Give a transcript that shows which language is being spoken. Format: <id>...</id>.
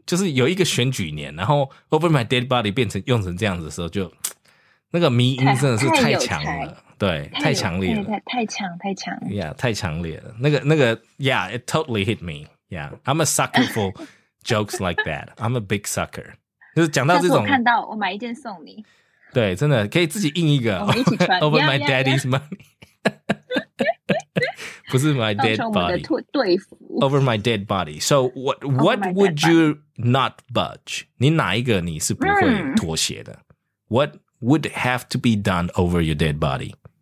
<zh>就是有一个选举年然后</zh> <en>over my dead body</en> <zh>变成用成这样子的时候就那个迷因真的是太强了。对太强烈了。太强。</zh> <en>Yeah,</en> <zh>太强烈了。</zh> <en>Yeah, it totally hit me. Yeah, I'm a sucker for jokes like that. I'm a big sucker.</en> <zh>就是讲到这种。下次我看到我买一件送你。对真的可以自己印一个。</zh> <en>over my daddy's money.</en> <zh>不是</zh> <en>my dead body.</en> <zh>当成我们的队服。</zh> <en>Over my dead body. So what would you not budge?</en> <zh>你哪一个你是不会妥协的、mm.</zh> <en>What would have to be done over your dead body?</en>